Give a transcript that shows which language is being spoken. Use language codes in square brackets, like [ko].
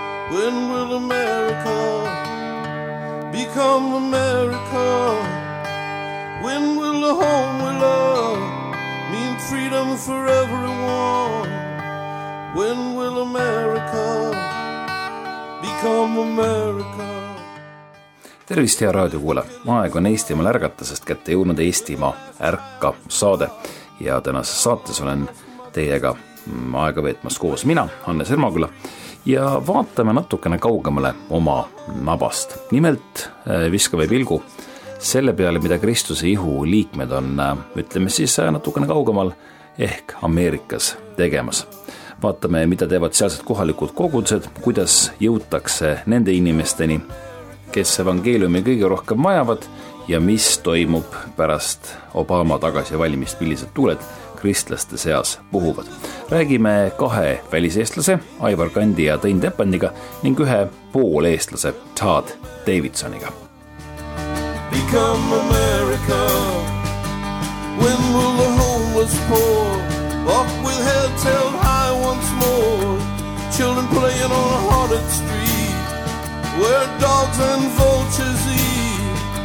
[en] When will America become America? When will the home we love mean freedom for everyone? When will America become America? [et] Tervist, hea raadiokuule! Aeg on Eestimaal ärgata, sest kätte jõudnud Eestimaa ärka saade. Ja tänases saates olen teiega aega veetmas koos mina, Hannes Ermaküla. Ja vaatame natukene kaugemale oma nabast. Nimelt viskame pilgu selle peale, mida Kristuse ihu liikmed on, ütleme siis natukene kaugemal, ehk Ameerikas tegemas. Vaatame, mida teevad sealsed kohalikud kogudused, kuidas jõutakse nende inimesteni, kes evangeeliumi kõige rohkem vajavad ja mis toimub pärast Obama tagasi valimist, millised tuuled kristlaste seas puhuvad. Räägime kahe väliseestlase, Aivar Kandi ja Tõin Teppandiga ning ühe pooleestlase, Todd Davidsoniga. [en] Become America, when will the homeless poor walk with heads held high once more, children playing on a haunted street, where dogs and vultures eat.